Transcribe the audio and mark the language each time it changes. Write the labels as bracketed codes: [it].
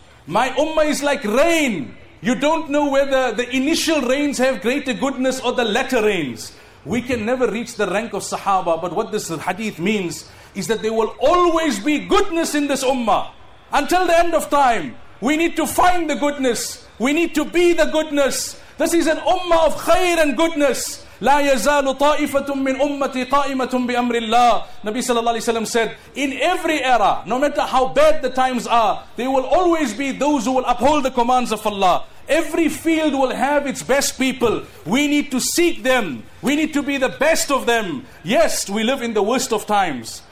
[en] My ummah is like rain. You don't know whether the initial rains have greater goodness or the latter rains. We can never reach the rank of Sahaba, but what this hadith means is that there will always be goodness in this ummah. Until the end of time, we need to find the goodness. We need to be the goodness. This is an ummah of khair and goodness. [ar] لا يزال طائفة من أمتي قائمة بأمر الله. [en] Nabi sallallahu alaihi wasallam said, in every era, no matter how bad the times are, there will always be those who will uphold the commands of Allah. Every field will have its best people. We need to seek them. We need to be the best of them. Yes, we live in the worst of times.